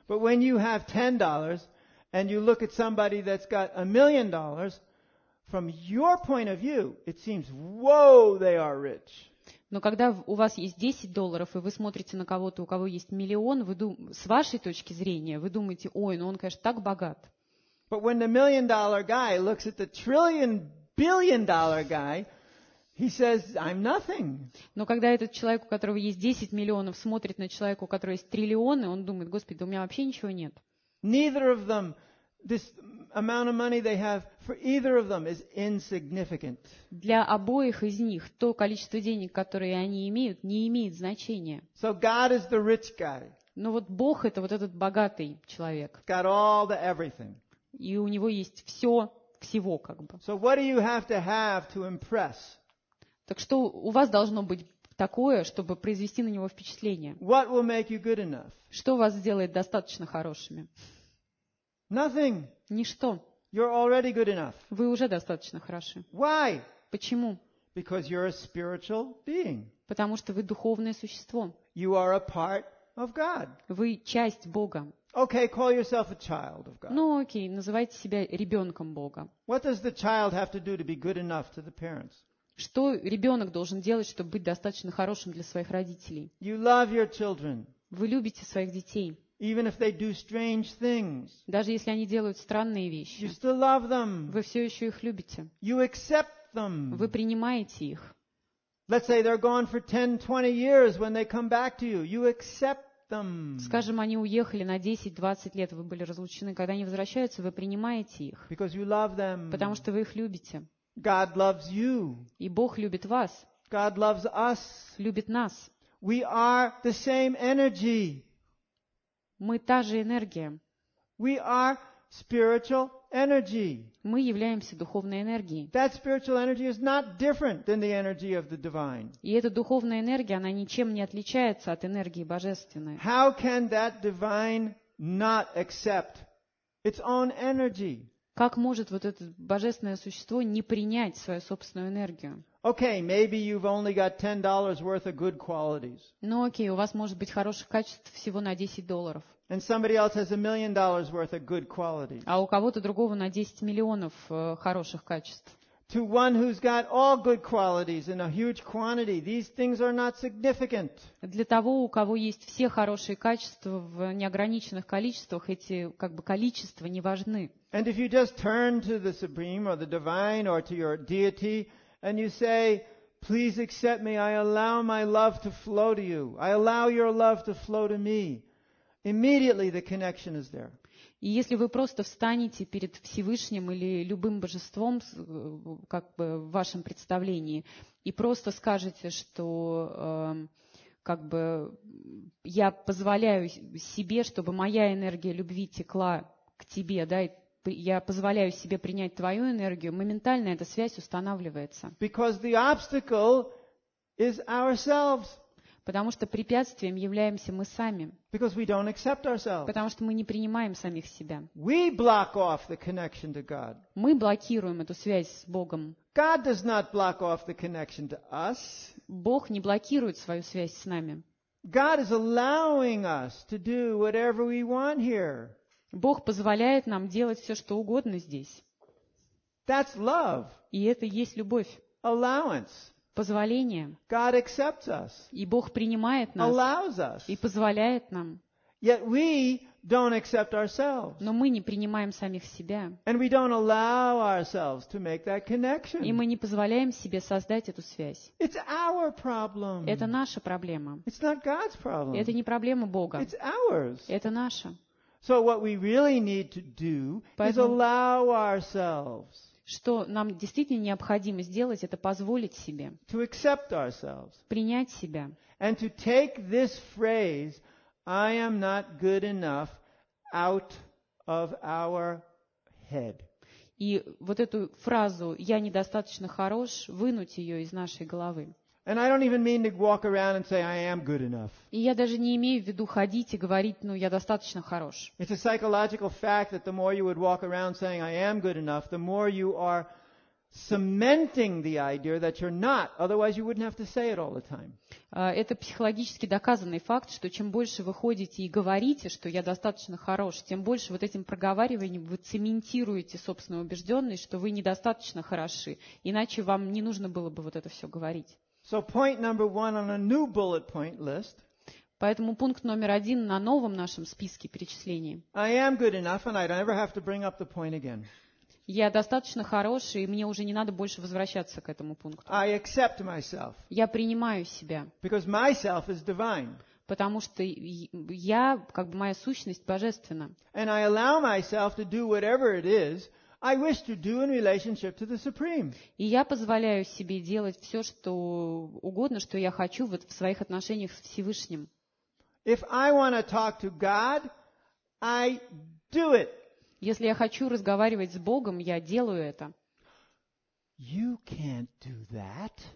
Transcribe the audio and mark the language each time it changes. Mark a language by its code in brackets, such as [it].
[en] But when you have $10 and you look at somebody that's got $1 million, from your point of view, it seems, whoa, they are rich. [ru] Но когда у вас есть $10, и вы смотрите на кого-то, у кого есть миллион, вы с вашей точки зрения, вы думаете, ой, ну он, конечно, так богат. [en] But when the million-dollar guy looks at the trillion-billion-dollar guy, he says, I'm nothing. [ru] Но когда этот человек, у которого есть 10 миллионов, смотрит на человека, у которого есть триллионы, он думает, Господи, да у меня вообще ничего нет. [en] Neither of them, this amount of money they have for either of them is insignificant. [ru] Для обоих из них то количество денег, которое они имеют, не имеет значения. [en] So God is the rich guy. [ru] Но вот Бог это вот этот богатый человек. [en] Got all the everything. [ru] И у него есть все, всего как бы. [en] So what do you have to have to impress? [ru] Так что у вас должно быть такое, чтобы произвести на него впечатление? [en] What will make you good enough? [ru] Что вас сделает достаточно хорошими? [en] Nothing. [ru] Ничто. [en] You're already good enough. [ru] Вы уже достаточно хороши. [en] Why? [ru] Почему? [en] Because you're a spiritual being. [ru] Потому что вы духовное существо. [en] You are a part of God. [ru] Вы часть Бога. [en] Okay, call yourself a child of God. [ru] Ну, окей, называйте себя ребенком Бога. [en] What does the child have to do to be good enough to the parents? [ru] Что ребенок должен делать, чтобы быть достаточно хорошим для своих родителей? [en] You love your children. [ru] Вы любите своих детей. [en] Even if they do strange things. [ru] Даже если они делают странные вещи. [en] You still love them. [ru] Вы все еще их любите. [en] You accept them. [ru] Вы принимаете их. [en] Let's say they're gone for 10-20 years when they come back to you. You accept them. [ru] Скажем, они уехали на 10-20 лет, вы были разлучены, когда они возвращаются, вы принимаете их. [en] Because you love them. [ru] Потому что вы их любите. [en] God loves you. [ru] И Бог любит вас. [en] God loves us. [ru] Любит нас. [en] We are the same energy. [ru] Мы та же энергия. [en] We are spiritual energy. [ru] Мы являемся духовной энергией. [en] That spiritual energy is not different than the energy of the divine. [ru] И эта духовная энергия, она ничем не отличается от энергии божественной. [en] How can that divine not accept its own energy? [ru] Как может вот это божественное существо не принять свою собственную энергию? [en] Okay, maybe you've only got $10 worth of good qualities. [ru] Ну окей, у вас может быть хороших качеств всего на $10. [en] And somebody else has $1 million worth of good qualities. [ru] А у кого-то другого на 10 миллионов хороших качеств. [en] To one who's got all good qualities in a huge quantity, these things are not significant. [ru] Для того, у кого есть все хорошие качества в неограниченных количествах, эти как бы количества не важны. [en] And if you just turn to the supreme or the divine or to your deity, and you say, please accept me, I allow my love to flow to you. I allow your love to flow to me. Immediately the connection is there. [ru] И если вы просто встанете перед Всевышним или любым божеством, как бы в вашем представлении, и просто скажете, что как бы я позволяю себе, чтобы моя энергия любви текла к тебе, да, и я позволяю себе принять твою энергию, моментально эта связь устанавливается. [en] Because the obstacle is ourselves. [ru] Потому что препятствием являемся мы сами. [en] Because we don't accept ourselves. [ru] Потому что мы не принимаем самих себя. [en] We block off the connection to God. [ru] Мы блокируем эту связь с Богом. [en] God does not block off the connection to us. [ru] Бог не блокирует свою связь с нами. [en] God is allowing us to do whatever we want here. [ru] Бог позволяет нам делать все, что угодно здесь. [en] That's love. [ru] И это есть любовь. [en] Allowance. [ru] Позволение. [en] God accepts us. [ru] И Бог принимает нас. [en] Allows us. [ru] И позволяет нам. [en] Yet we don't accept ourselves. [ru] Но мы не принимаем самих себя. [en] And we don't allow ourselves to make that connection. [ru] И мы не позволяем себе создать эту связь. [en] It's our problem. [ru] Это наша проблема. [en] It's not God's problem. [ru] Это не проблема Бога. [en] It's ours. [ru] Это наша. [en] So what we really need to do is allow ourselves. [ru] Что нам действительно необходимо сделать, это позволить себе. [en] To accept ourselves. [ru] Принять себя. [en] And to take this phrase, I am not good enough, out of our head. [ru] И вот эту фразу «я недостаточно хорош» вынуть ее из нашей головы. [en] And I don't even mean to walk around and say I am good enough. [ru] И я даже не имею в виду ходить и говорить, ну я достаточно хорош. [en] It's a psychological fact that the more you would walk around saying I am good enough, the more you are cementing the idea that you're not. Otherwise, you wouldn't have to say it all the time. [ru] Это психологически доказанный факт, что чем больше вы ходите и говорите, что я достаточно хорош, тем больше вот этим проговариванием вы цементируете собственную убежденность, что вы недостаточно хороши. Иначе вам не нужно было бы вот это все говорить. [en] So point number one on a new bullet point list. [ru] Поэтому пункт номер один на новом нашем списке перечислений. [en] I am good enough, and I don't ever have to bring up the point again. [ru] Я достаточно хороший, и мне уже не надо больше возвращаться к этому пункту. [en] I accept myself. [ru] Я принимаю себя. [en] Because myself is divine. [ru] Потому что я, как бы моя сущность, божественна. [en] And I allow myself to do whatever it is. I wish to do in relationship to the Supreme. [ru] И я позволяю себе делать все, что угодно, что я хочу вот в своих отношениях с Всевышним. [en] If I want to talk to God, I do it. [ru] Если я хочу разговаривать с Богом, я делаю это. [en] You can't do that.